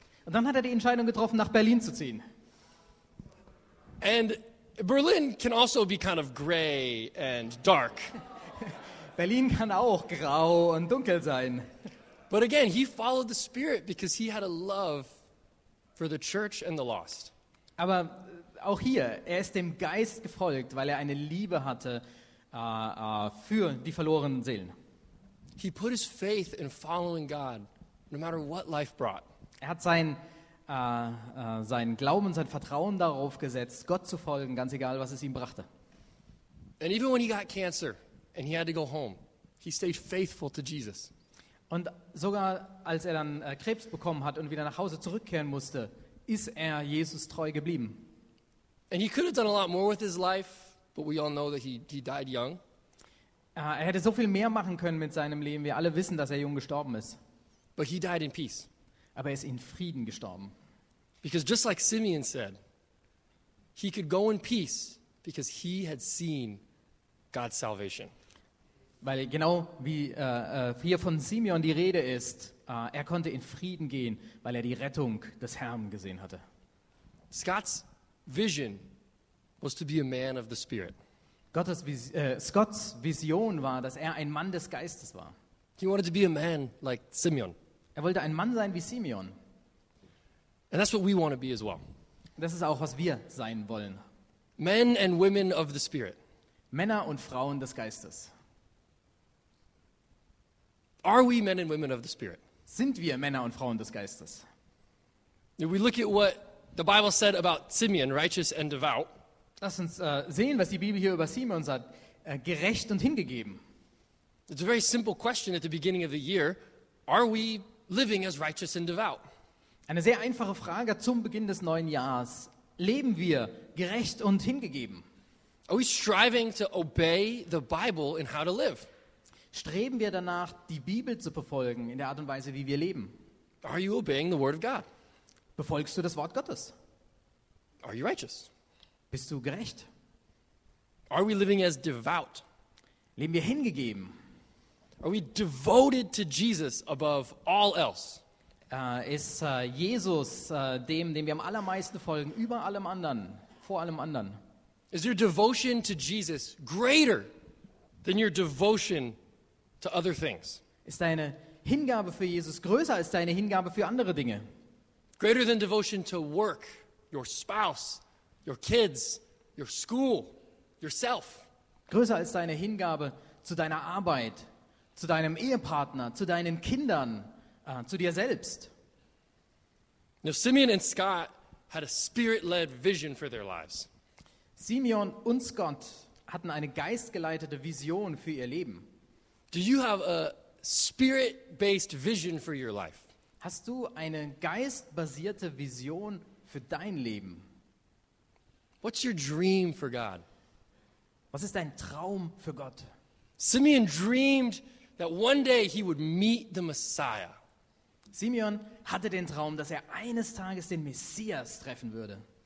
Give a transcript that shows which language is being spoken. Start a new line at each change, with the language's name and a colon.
German: Und dann hat er die Entscheidung getroffen, nach Berlin zu ziehen.
English: And Berlin can also be kind of gray and dark.
German: Berlin kann auch grau und dunkel sein.
English: But again, he followed the Spirit because he had a love for the church and the lost.
German: Aber auch hier, er ist dem Geist gefolgt, weil er eine Liebe hatte für die verlorenen Seelen.
English: He put his faith in following God, no matter what life brought.
German: Er hat seinen Glauben und sein Vertrauen darauf gesetzt, Gott zu folgen, ganz egal, was es ihm brachte.
English: And even when he got cancer and he had to go home, he stayed faithful to Jesus.
German: Und sogar als er dann Krebs bekommen hat und wieder nach Hause zurückkehren musste, ist er Jesus treu geblieben.
English: And he could have done a lot more with his life, but we all know that he died young.
German: Er hätte so viel mehr machen können mit seinem Leben. Wir alle wissen, dass er jung gestorben ist.
English: But he died in peace.
German: Aber er ist in Frieden gestorben.
English: Because just like Simeon said, he could go in peace because he had seen God's salvation.
German: Weil genau wie hier von Simeon die Rede ist, er konnte in Frieden gehen, weil er die Rettung des Herrn gesehen hatte.
English: Scott's vision was to be a man of the Spirit.
German: Scott's Vision war, dass er ein Mann des Geistes war.
English: He wanted to be a man like Simeon.
German: Er wollte ein Mann sein wie Simeon.
English: And that's what we want to be as well.
German: Das ist auch, was wir sein wollen.
English: Men and women of the Spirit.
German: Männer und Frauen des Geistes.
English: Are we men and women of the Spirit?
German: Sind wir Männer und Frauen des Geistes?
English: If we look at what the Bible said about Simeon, righteous and devout.
German: Lass uns sehen, was die Bibel hier über Simeon sagt, gerecht und hingegeben.
English: It's a very simple question at the beginning of the year. Are we living as righteous and devout?
German: Eine sehr einfache Frage zum Beginn des neuen Jahres. Leben wir gerecht und hingegeben?
English: Are we striving to obey the Bible in how to live?
German: Streben wir danach, die Bibel zu befolgen in der Art und Weise, wie wir leben?
English: Are you obeying the word of God?
German: Befolgst du das Wort Gottes?
English: Are you righteous?
German: Bist du gerecht?
English: Are we living as devout?
German: Leben wir hingegeben?
English: Are we devoted to Jesus above all else?
German: Ist Jesus dem wir am allermeisten folgen, über allem anderen, vor allem anderen?
English: Is your devotion to Jesus greater than your devotion to other things?
German: Ist deine Hingabe für Jesus größer als deine Hingabe für andere Dinge?
English: Greater than devotion to work, your spouse, your kids, your school, yourself.
German: Größer als deine Hingabe zu deiner Arbeit, zu deinem Ehepartner, zu deinen Kindern, zu dir selbst.
English: Now, Simeon and Scott had a spirit-led vision for their lives.
German: Simeon und Scott hatten eine geistgeleitete Vision für ihr Leben.
English: Do you have a spirit-based vision for your life?
German: Hast du eine geistbasierte Vision für dein Leben?
English: What's your dream for God?
German: Was ist dein Traum für Gott?
English: Simeon dreamed that one day he would meet the Messiah.
German: Simeon hatte den Traum, dass er eines Tages den Messias treffen würde.